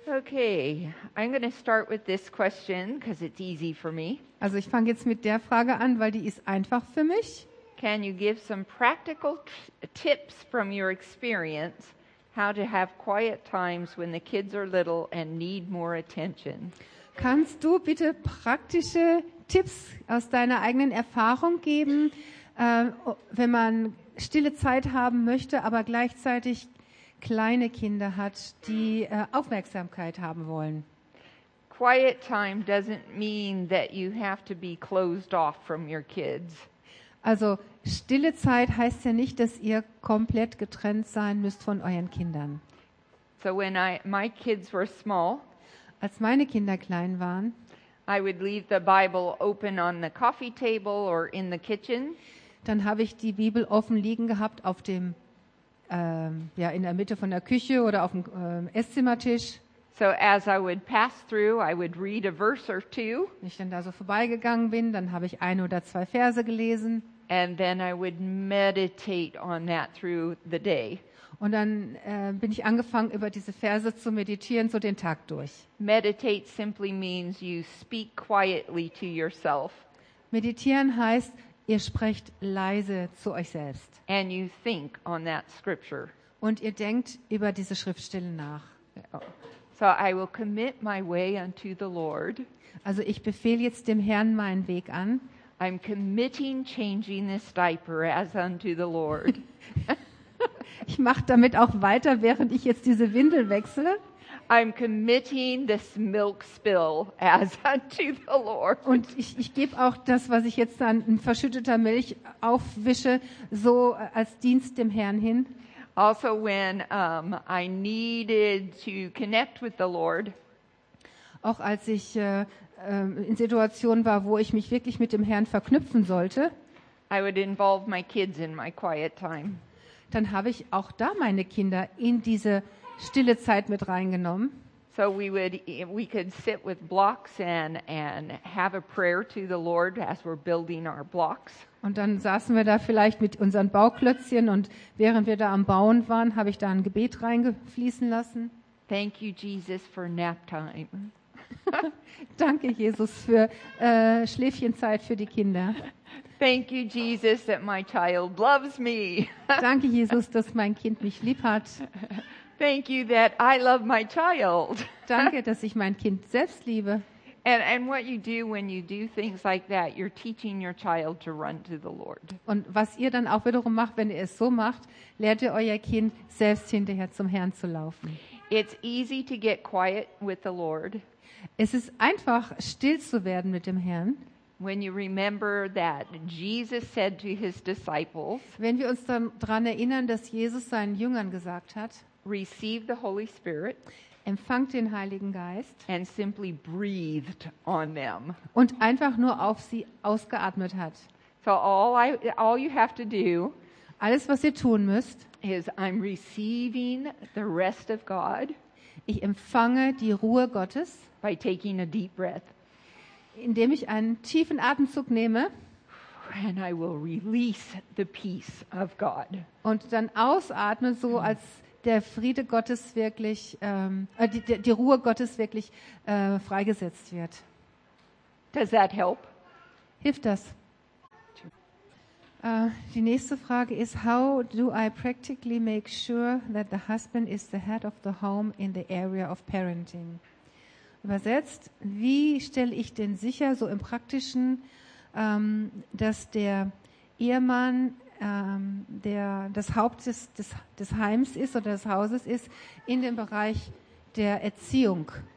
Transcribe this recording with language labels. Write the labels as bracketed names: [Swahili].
[English] Okay, I'm going to start with this question because it's easy for me. [German] Also, ich fange jetzt mit der Frage an, weil die ist einfach für mich. [English] Can you give some practical tips from your experience how to have quiet times when the kids are little and need more attention? [German] Kannst du bitte praktische Tipps aus deiner eigenen Erfahrung geben, wenn man stille Zeit haben möchte, aber gleichzeitig kleine Kinder hat, die Aufmerksamkeit haben wollen? [English] Quiet time doesn't mean that you have to be closed off from your kids. [German] Also stille Zeit heißt ja nicht, dass ihr komplett getrennt sein müsst von euren Kindern. [English] So when my kids were small, [German] als meine Kinder klein waren, [English] I would leave the Bible open on the coffee table or in the kitchen. [German] Dann habe ich die Bibel offen liegen gehabt auf dem in der Mitte von der Küche oder auf dem Esszimmertisch. [English] So as I would pass through, I would read a verse or two. [German] Wenn ich dann da so vorbeigegangen bin, dann habe ich ein oder zwei Verse gelesen. [English] And then I would meditate on that through the day. [German] Und dann bin ich angefangen, über diese Verse zu meditieren, so den Tag durch. [English] Meditate simply means you speak quietly to yourself. [German] Meditieren heißt, ihr sprecht leise zu euch selbst. [English] And you think on that scripture. [German] Und ihr denkt über diese Schriftstelle nach. [English] So I will commit my way unto the Lord. [German] Also ich befehle jetzt dem Herrn meinen Weg an. [English] I'm committing changing this diaper as unto the Lord. [German] Ich mache damit auch weiter, während ich jetzt diese Windel wechsle. [English] I'm committing this milk spill as unto the Lord. [German] Und ich gebe auch das, was ich jetzt an verschütteter Milch aufwische, so als Dienst dem Herrn hin. [English] Also when I needed to connect with the Lord. [German] Auch als ich in Situationen war, wo ich mich wirklich mit dem Herrn verknüpfen sollte. [English] I would involve my kids in my quiet time. [German] Dann habe ich auch da meine Kinder in diese stille Zeit mit reingenommen. [English] So we could sit with blocks and have a prayer to the Lord as we're building our blocks. [German] Und dann saßen wir da vielleicht mit unseren Bauklötzchen und während wir da am Bauen waren, habe ich da ein Gebet reingefließen lassen. [English] Thank you Jesus for nap time. [German] Danke Jesus für Schläfchenzeit für die Kinder. [English] Thank you Jesus that my child loves me. [German] Danke Jesus, dass mein Kind mich lieb hat. [English] Thank you that I love my child. [German] Danke, dass ich mein Kind selbst liebe. [English] And what you do when you do things like that, you're teaching your child to run to the Lord. [German] Und was ihr dann auch wiederum macht, wenn ihr es so macht, lehrt ihr euer Kind selbst hinterher zum Herrn zu laufen. [English] It's easy to get quiet with the Lord. [German] Es ist einfach still zu werden mit dem Herrn. [English] When you remember that Jesus said to his disciples, [German] wenn wir uns dann dran erinnern, dass Jesus seinen Jüngern gesagt hat, [English] receive the Holy Spirit, [German] empfangt den Heiligen Geist, [English] and simply breathed on them, [German] und einfach nur auf sie ausgeatmet hat. [English] So all you have to do, [German] alles was ihr tun müsst, [English] is I'm receiving the rest of God, [German] ich empfange die Ruhe Gottes, [English] by taking a deep breath, [German] indem ich einen tiefen Atemzug nehme, [English] and I will release the peace of God, [German] und dann ausatme, so als der Friede Gottes wirklich, die Ruhe Gottes wirklich freigesetzt wird. [English] Does that help? [German] Hilft das? Die nächste Frage ist, [English] how do I practically make sure that the husband is the head of the home in the area of parenting? [German] Übersetzt, wie stelle ich denn sicher, so im Praktischen, dass der Ehemann, der das Haupt des Heims ist oder des Hauses ist, in dem Bereich der Erziehung?